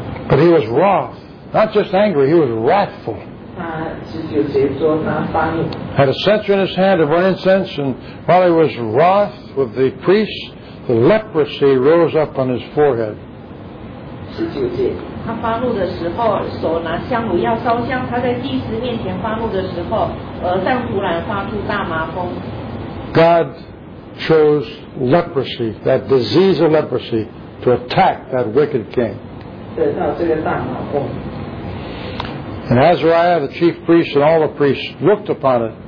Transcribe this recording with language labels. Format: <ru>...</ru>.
<en>But he was wroth, not just angry, he was wrathful. Had a censer in his hand to burn incense, and while he was wroth with the priests, the leprosy rose up on his forehead.</en> <zh>他发怒的时候，手拿香炉要烧香。他在祭司面前发怒的时候，额上突然发出大麻风。God</zh> <en>chose leprosy, that disease of leprosy, to attack that wicked king.</en> <zh>得到这个大麻风。And</zh> <en>Azariah, the chief priest, and all the priests looked upon it.</en>